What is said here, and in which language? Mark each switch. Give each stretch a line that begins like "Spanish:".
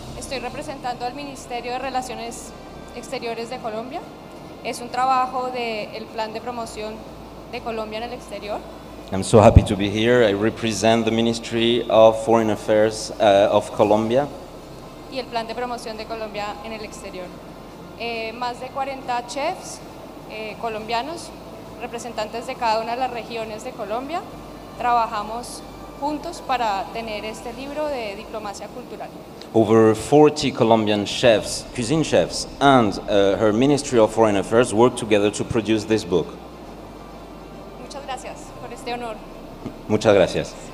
Spanish: Representando al Ministerio de Relaciones Exteriores de Colombia. Es un trabajo del Plan de Promoción de Colombia en el Exterior.
English: I'm so happy to be here. I represent the Ministry of Foreign Affairs of Colombia.
Spanish: Y el Plan de Promoción de Colombia en el Exterior. Más de 40 chefs colombianos, representantes de cada una de las regiones de Colombia, trabajamos juntos para tener este libro de diplomacia cultural.
English: Over 40 Colombian chefs, cuisine chefs, and her Ministry of Foreign Affairs worked together to produce this book.
Spanish: Muchas gracias por este honor. Muchas gracias.